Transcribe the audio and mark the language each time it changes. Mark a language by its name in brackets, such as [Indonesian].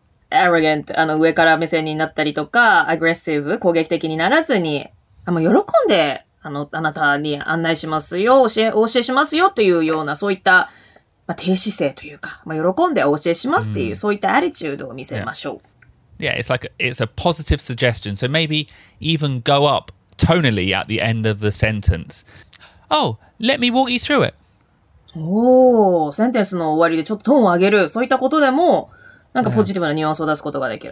[Japanese] arrogant, 上から目線になったりとか、aggressive, 攻撃的にならずに、喜んで、あなたに案内しますよ、教えしますよというような、そういった、まあ、低姿勢というか、まあ、喜んで教えしますという、mm. そういったアリチュードを見せましょう。 [English] Yeah, yeah it's like, it's a positive suggestion. So maybe even go up tonally at the end of the sentence. Oh, let me walk you through it. [Japanese] おー、センテンスの終わりでちょっとトーンを上げる、そういったことでも、なんかポジティブなニュアンスを出すことができる。